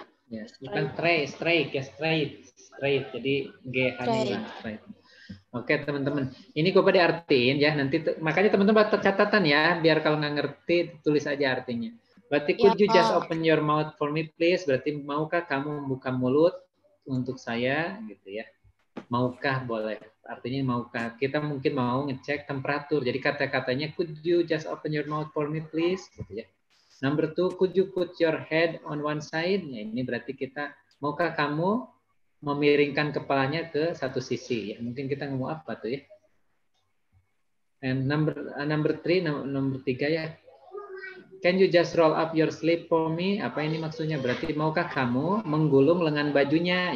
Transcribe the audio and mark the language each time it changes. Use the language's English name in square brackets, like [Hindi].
[Indonesian] Yes, bukan straight. Jadi G H straight. Oke, okay, teman-teman. Ini gue pada artiin ya. Nanti makanya teman-teman buat catatan ya, biar kalau nggak ngerti tulis aja artinya. [English] Berarti could you just open your mouth for me please? [Indonesian] Berarti maukah kamu membuka mulut untuk saya gitu ya. Maukah boleh. Artinya maukah. Kita mungkin mau ngecek temperatur. Jadi kata-katanya [English] could you just open your mouth for me please [Indonesian] gitu ya. [English] Number two, could you put your head on one side? [Indonesian] Ya, ini berarti kita maukah kamu memiringkan kepalanya ke satu sisi ya. Mungkin kita ngomong apa tuh ya. [English] And number three, number [Indonesian] tiga ya. [English] Can you just roll up your sleeve for me? [Indonesian] Apa ini maksudnya? Berarti maukah kamu menggulung lengan bajunya?